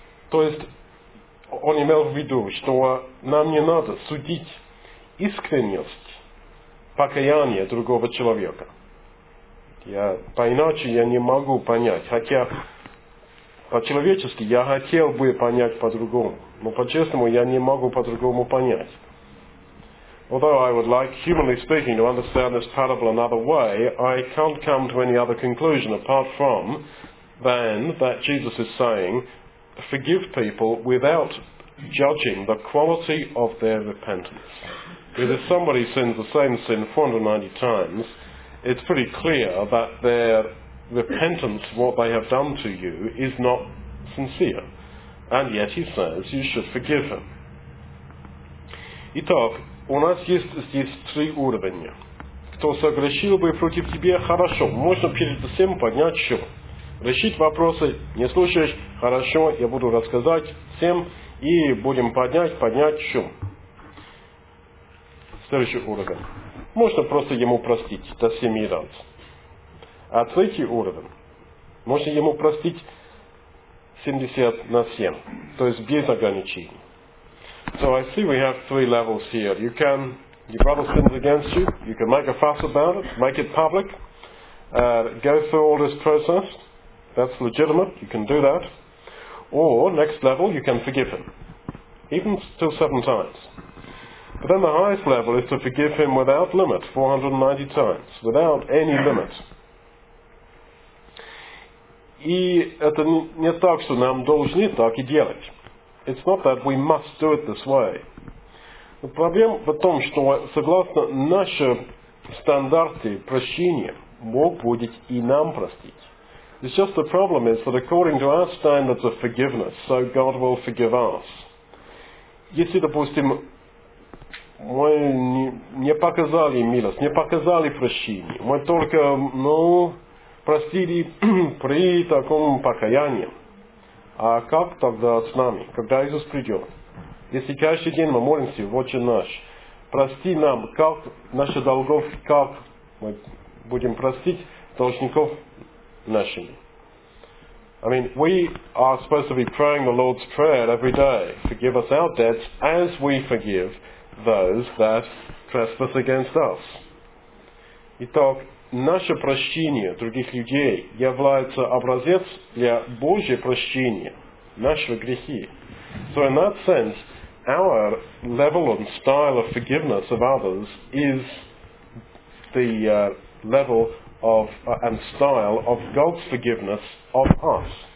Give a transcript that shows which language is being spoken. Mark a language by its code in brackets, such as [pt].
[ru] То есть, он имел в виду, что нам не надо судить искренность покаяния другого человека. Я не могу понять. Хотя, по-человечески, я хотел бы понять по-другому. Но по-честному, я не могу по-другому понять. [en] Although I would like, humanly speaking, to understand this parable another way, I can't come to any other conclusion apart from than that Jesus is saying, forgive people without judging the quality of their repentance. Because if somebody sins the same sin 490 times, it's pretty clear that their repentance, what they have done to you, is not sincere. And yet he says, you should forgive him. [ru] Итак, у нас есть здесь 3 уровня. Кто согрешил бы против тебя, хорошо, можно перед всем поднять счет. Решить вопросы, не слушаешь, хорошо, я буду рассказать всем, и будем поднять счет. Следующий уровень. Можно просто ему простить до 7 раз. А 3-й уровень. Можно ему простить 70 на 7, то есть без ограничений. [en] So I see we have 3 levels here. You can, your brother sins against you, you can make a fuss about it, make it public, go through all this process, that's legitimate, you can do that. Or, next level, you can forgive him, even still 7 times. But then the highest level is to forgive him without limit, 490 times, without any limit. [ru] И это не так, что нам должны так и делать. [en] It's not that we must do it this way. [ru] Но проблема в том, что согласно нашим стандартам прощения, Бог будет и нам простить. [en] It's just the problem is that according to our standards of forgiveness, so God will forgive us. [ru] Если, допустим, мы не показали милость, не показали прощение, мы только, ну, простили при таком покаянии, а как тогда с нами, когда Иисус придет? Если каждый день мы молимся, Отче наш, прости нам, как наши долгов, как мы будем простить должников нашими. [en] I mean, we are supposed to be praying the Lord's Prayer every day. Forgive us our debts as we forgive those that trespass against us. [ru] Итак, наше прощение других людей является образец для Божьего прощения нашего грехи. So in that sense, our level and style of forgiveness of others is the level of and style of God's forgiveness of us.